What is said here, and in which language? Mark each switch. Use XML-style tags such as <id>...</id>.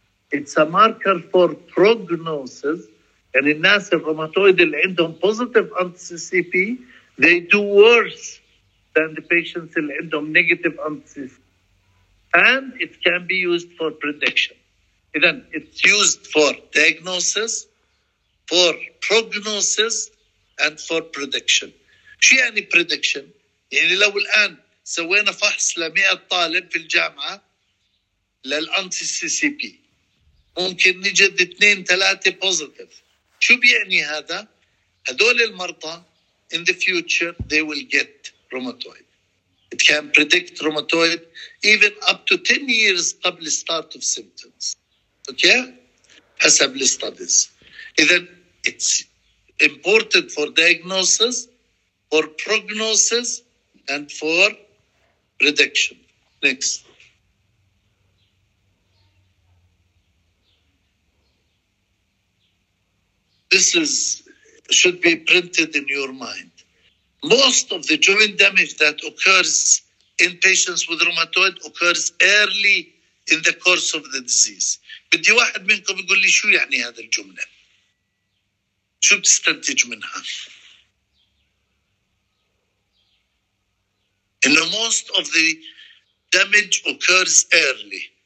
<en>It's a marker for prognosis. And in</en> <ar>الناس الروماتويد اللي عندهم</ar> <en>positive anti-CCP, they do worse than the patients in endom negative anti-CCP. And it can be used for prediction. Then it's used for diagnosis, for prognosis, and for prediction.</en> <ar>شو يعني prediction؟ يعني لو الآن سوينا فحص لمئة طالب في الجامعة للأنتي-CCP ممكن نجد اثنين ثلاثة positive. شو بيعني هذا؟ هدول المرضى</ar> <en>in the future they will get rheumatoid. It can predict rheumatoid even up to 10 years</en> <ar>قبل</ar> <en>start of symptoms. Okay?</en> <ar>حسب studies.</ar> <en>Then it's important for diagnosis, for prognosis, and for reduction. Next. This is should be printed in your mind. Most of the joint damage that occurs in patients with rheumatoid occurs early in the course of the disease.</en> <ar>بدي واحد منكم يقول لي شو يعني هذه الجملة؟ شو بتستنتج منها؟</ar> <en>In the most of the damage occurs early.</en>